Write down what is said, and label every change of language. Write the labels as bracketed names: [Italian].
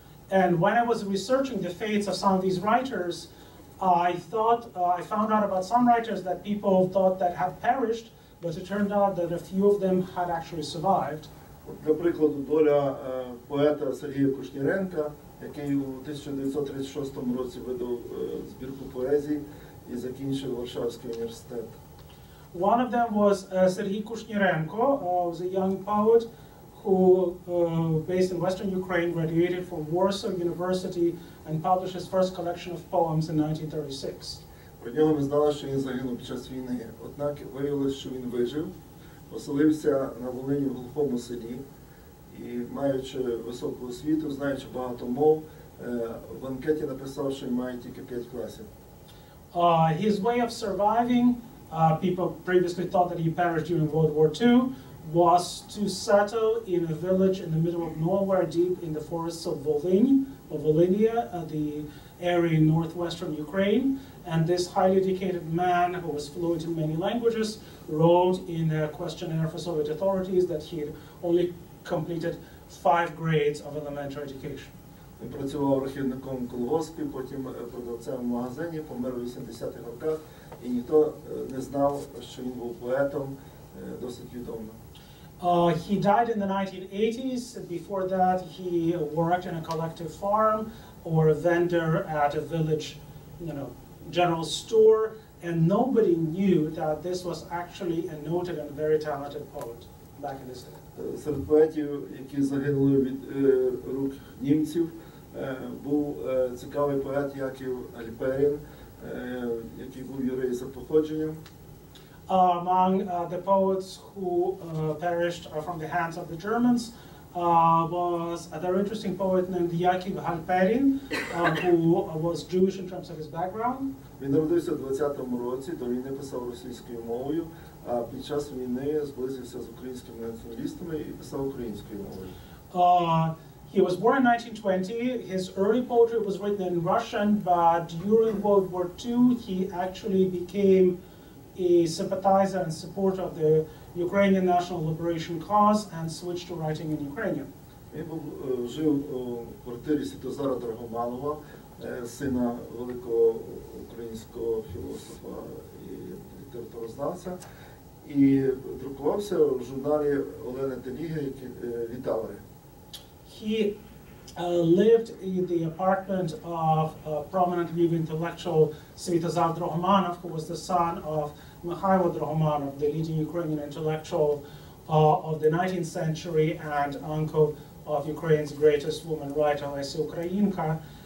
[English] And when I was researching the fates of some of these writers, I found out about some writers that people thought that had perished, but it turned out that a few of them had actually survived. [Ukrainian] Наприклад, доля поета Сергія Кушніренка, який у 1936 році видав збірку поезії і закінчив Варшавський університет. [English] One of them was Сергій Кушніренко, was a young poet who, based in Western Ukraine, graduated from Warsaw University and published his first collection of poems in 1936. [Ukrainian] Про нього ми знали, що він загинув під час війни. Однак виявилось, що він вижив, оселився на Волині в глухому селі, і, маючи високу освіту, знаючи багато мов, в анкеті написав, що він має тільки 5 класів. [English] His way of surviving, people previously thought that he perished during World War II, was to settle in a village in the middle of nowhere, deep in the forests of Volinia, the area in northwestern Ukraine. And this highly educated man, who was fluent in many languages, wrote in a questionnaire for Soviet authorities that he had only completed 5 grades of elementary education. [Ukrainian] Він працював архівником колгоспі, потім продавцем в магазині, помер у 80-х роках, і ніхто не знав, що він був поетом досить відомо. [English] He died in the 1980s. Before that, he worked in a collective farm or a vendor at a village, you know, general store, and nobody knew that this was actually a noted and very talented poet back in this day. [Ukrainian] Серед поетів, які загинули від рук німців, був цікавий поет Яків Альперін, який був єврей за походженням. [English] Among the poets who perished from the hands of the Germans was a very interesting poet named Яків Гальперін, who was Jewish in terms of his background. [Ukrainian] Він народився у 20-му році, до війни писав російською мовою, а під час війни зблизився з українськими націоналістами і писав українською мовою. [English] He was born in 1920. His early poetry was written in Russian, but during World War II he actually became a sympathizer and supporter of the Ukrainian National Liberation Cause and switched to writing in Ukrainian. [Ukrainian] Він жив у квартирі Святозара Драгоманова, сина великого українського філософа і літературознавця, і друкувався в журналі Олени Теліги «Літаври». [English] He lived in the apartment of a prominent Lviv intellectual, Svitozar Drogomanov, who was the son of Mikhailo Drogomanov, the leading Ukrainian intellectual of the 19th century and uncle of Ukraine's greatest woman writer, Lesya Ukrainka.